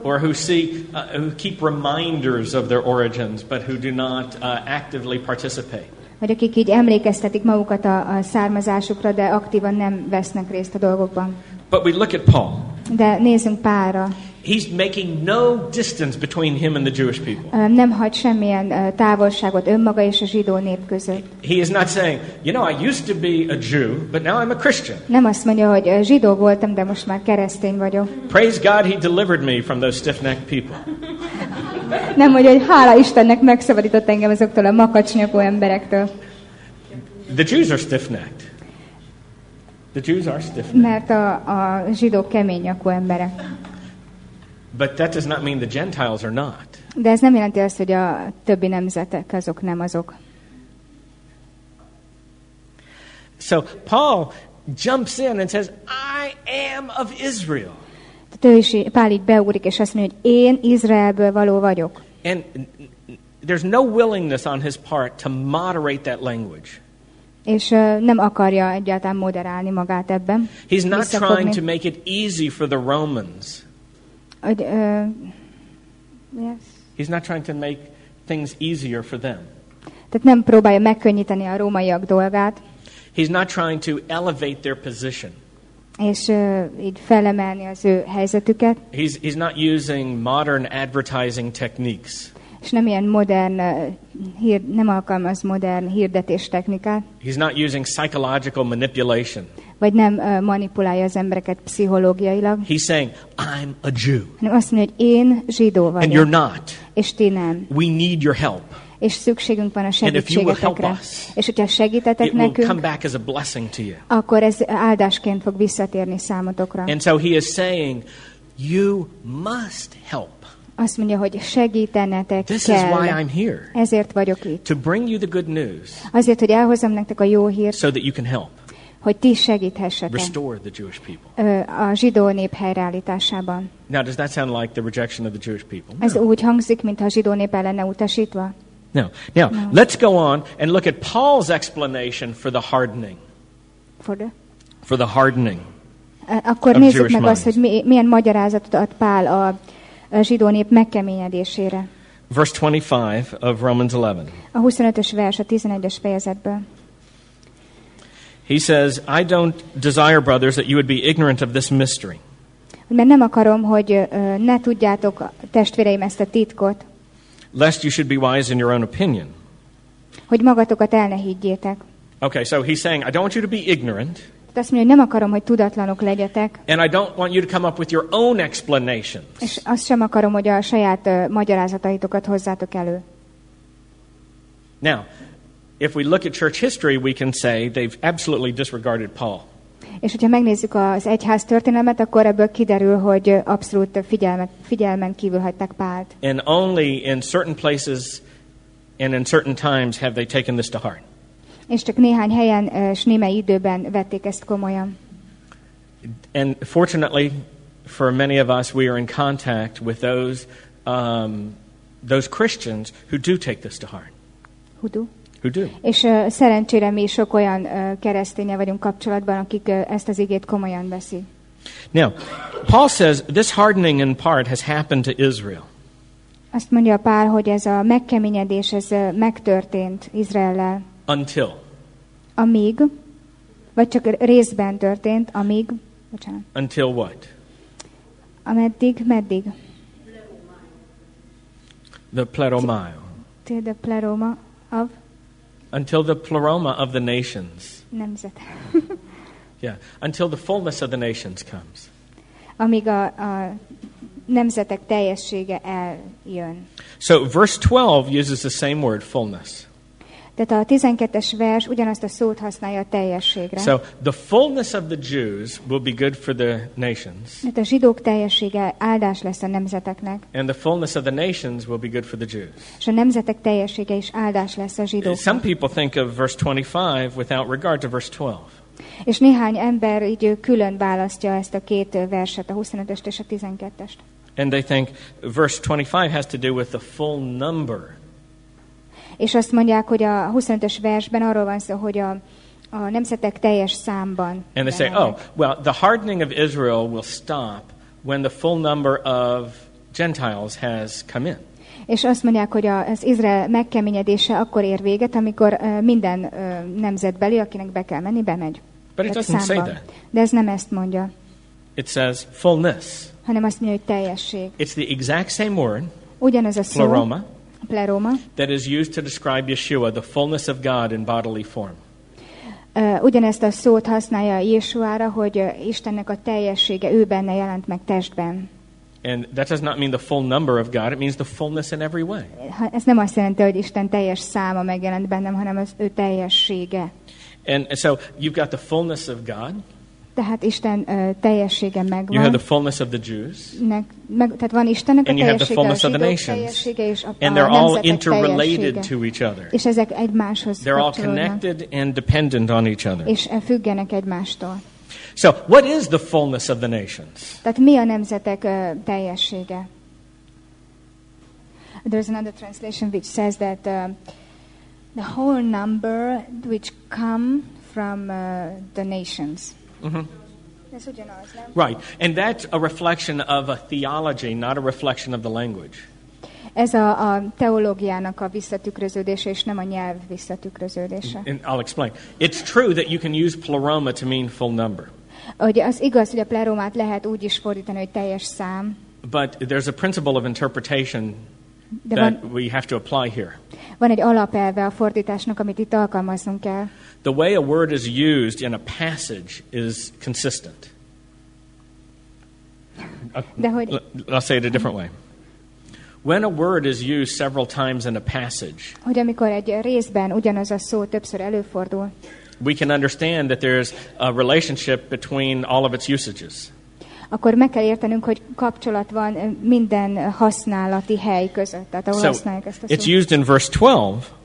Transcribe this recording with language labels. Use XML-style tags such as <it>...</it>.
<en>Or who see, who keep reminders of their origins, but who do not actively participate.</en> <hu>Vagy akik így emlékeztetik magukat a származásukra, de aktívan nem vesznek részt a dolgokban.</hu> <en>But we look at Paul.</en> <hu>De nézzünk Pálra.</hu> <en>He's making no distance between him and the Jewish people.</en> <hu>Nem hagy semmilyen távolságot önmaga és a zsidó nép között.</hu> <en>He is not saying, you know, I used to be a Jew, but now I'm a Christian.</en> <hu>Nem azt mondja, hogy zsidó voltam, de most már keresztény vagyok.</hu> <en>Praise God, he delivered me from those stiff-necked people.</en> <hu>Nem mondja, hogy hála Istennek megszabadított engem azoktól a makacsnyakú emberektől.</hu> <en>The Jews are stiff-necked. The Jews are stiff-necked.</en> <hu>Mert a zsidók kemény nyakú emberek.</hu> <en>But that does not mean the Gentiles are not.</en> <hu>De ez nem jelenti azt, hogy a többi nemzetek azok nem azok.</hu> <en>So Paul jumps in and says, I am of Israel.</en> <hu>Pál így beugrik és azt mondja, hogy én Izraelből való vagyok.</hu> <en>And there's no willingness on his part to moderate that language.</en> <hu>És nem akarja egyáltalán moderálni magát ebben.</hu> <en>He's not trying to make it easy for the Romans. He's not trying to make things easier for them.</en> <hu>Tehát nem próbálja megkönnyíteni a rómaiak dolgát.</hu> <en>He's not trying to elevate their position.</en> <hu>és így felemelni az ő helyzetüket.</hu> <en>He's not using modern advertising techniques.</en> <hu>És nem ilyen modern nem alkalmaz modern hirdetés technikát.</hu> <en>He's not using psychological manipulation.</en> <hu>Vagy nem manipulálja az embereket pszichológiailag.</hu> <en>He's saying, I'm a Jew.</en> <hu>Hanem azt mondja, hogy én zsidó vagyok.</hu> <en>And you're not.</en> <hu>És ti nem.</hu> <en>We need your help.</en> <hu>És szükségünk van a segítségetekre. És hogyha segítetek nekünk, akkor ez áldásként fog visszatérni számotokra.</hu> <en>And so he is saying, you must help.</en> <hu>Azt mondja, hogy segítenetek</hu> <en>this</en> <hu>kell.</hu> <en>Is why I'm here.</en> <hu>Ezért vagyok itt.</hu> <en>To bring you the good news.</en> <hu>Azért, hogy elhozzam nektek a jó hírt.</hu> <en>So that you can help.</en> <hu>Hogy ti segíthessetek.</hu> <en>Restore the Jewish people.</en> <hu>A zsidó nép helyreállításában.</hu> <en>Now, does that sound like the rejection of the Jewish people?</en> <hu>Ez úgy hangzik, mintha a zsidó nép el lenne utasítva.</hu> <en>No. Now, let's go on and look at Paul's explanation for the hardening. For the hardening.</en> <hu>Akkor nézzük meg azt, hogy milyen magyarázatot ad Pál a zsidó nép megkeményedésére.</hu> <en>Verse 25 of Romans 11.</en> <hu>A 25-ös vers a 11-es fejezetből.</hu> <en>He says, I don't desire, brothers, that you would be ignorant of this mystery.</en> <hu>Mert nem akarom, hogy ne tudjátok, testvéreim, ezt a titkot.</hu> <en>Lest you should be wise in your own opinion.</en> <hu>Hogy magatokat el ne higgyétek.</hu> <en>Okay, so he's saying, I don't want you to be ignorant.</en> <hu>Azt mondja, hogy nem akarom, hogy tudatlanok legyetek.</hu> <en>And I don't want you to come up with your own explanations.</en> <hu>És azt sem akarom, hogy a saját magyarázataitokat hozzátok elő.</hu> <en>Now, if we look at church history, we can say they've absolutely disregarded Paul.</en> <hu>És hogyha megnézzük az egyház történelmet, akkor ebből kiderül, hogy abszolút figyelmen kívül hagyták Pált.</hu> <en>And only in certain places and in certain times have they taken this to heart.</en> <hu>És csak néhány helyen és némely időben vették ezt komolyan.</hu> <en>And fortunately for many of us, we are in contact with those Christians who do take this to heart. Who do? Who do?</en> <hu>És szerencsére mi sok olyan keresztényel vagyunk kapcsolatban, akik ezt az igét komolyan veszi.</hu> <en>Now, Paul says this hardening in part has happened to Israel.</en> <hu>Azt mondja Pál, hogy ez a megkeményedés ez megtörtént Izraellel.</hu> <en>Until.</en> <hu>Amíg, vagy csak részben történt, amíg, bocsánat.</hu> <en>Until what?</en> <hu>Ameddig, meddig?</hu> <en>The pleroma. Till the pleroma of? Until the pleroma of the nations.</en> <hu>Nemzet.</hu> <en>Yeah, until the fullness of the nations comes.</en> <hu>Amíg a nemzetek teljessége eljön.</hu> <en>So verse 12 uses the same word, fullness.</en> <hu>Tehát a 12-es vers ugyanazt a szót használja a teljességre.</hu> <en>So the fullness of the Jews will be good for the nations.</en> <hu>Tehát a zsidók teljessége áldás lesz a nemzeteknek.</hu> <en>And the fullness of the nations will be good for the Jews.</en> <hu>És a nemzetek teljessége is áldás lesz a zsidóknak.</hu> <en>Some people think of verse 25 without regard to verse 12.</en> <hu>És néhány ember így külön választja ezt a két verset, a 25-est és a 12-est.</hu> <en>And they think verse 25 has to do with the full number.</en> <hu>És azt mondják, hogy a 25-ös versben arról van szó, hogy a nemzetek teljes számban.</hu> <en>And they say, oh, well, the hardening of Israel will stop when the full number of Gentiles has come in.</en> <hu>És azt mondják, hogy az Izrael megkeményedése akkor ér véget, amikor minden nemzetbeli, akinek be kell menni, bemegy.</hu> <en>But it doesn't say that.</en> <hu>De ez nem ezt mondja.</hu> <en>It says fullness.</en> <hu>Hanem azt mondja, hogy teljesség.</hu> <en>It's the exact same word.</en> <hu>Ugyanaz a szó.</hu> <en>Pleroma. Pleroma. That is used to describe Yeshua, the fullness of God in bodily form.</en> <hu>Ugyanezt a szót használja Yeshuára, hogy Istennek a teljessége ő benne jelent meg testben.</hu> <en>And that does not mean the full number of God, it means the fullness in every way.</en> <hu>Ez nem azt jelenti, hogy Isten teljes száma megjelent bennem, hanem az ő teljessége.</hu> <en>And so you've got the fullness of God.</en> <hu>Tehát Isten teljessége megvan.</hu> <en>You have the fullness of the Jews.</en> <hu>Tehát van Istennek</hu> <en>and</en> <hu>a teljessége, a zsidó teljessége és a</hu> <en>and they're all interrelated</en> <hu>teljessége.</hu> <en>To each other.</en> <hu>És ezek egymáshoz kapcsolódnak.</hu> <en>They're all connected and dependent on each other.</en> <hu>És függenek egymástól.</hu> <en>So, what is the fullness of the nations?</en> <hu>Tehát mi a nemzetek teljessége?</hu> <en>There's another translation which says that the whole number which come from the nations. Mm-hmm. Right, and that's a reflection of a theology, not a reflection of the language.</en> <hu>Ez a teológiának a visszatükröződése, és nem a nyelv visszatükröződése.</hu> <en>And I'll explain. It's true that you can use pleroma to mean full number.</en> <hu>hogy az igaz, hogy a plerómát lehet úgy is fordítani, hogy teljes szám.</hu> <en>But there's a principle of interpretation that we have to apply here.</en> <hu>Van egy alapelve a fordításnak, amit itt alkalmaznunk kell.</hu> <en>The way a word is used in a passage is consistent. I'll say it a different way. When a word is used several times in a passage,</en> <hu>hogy amikor egy részben ugyanaz a szó többször előfordul,</hu> <en>we can understand that there's a relationship between all of its usages.</en> <hu>Akkor meg kell értenünk, hogy kapcsolat van minden használati hely között. Tehát ahol használják ezt a szót.</hu> <en>It's used in verse 12.</en>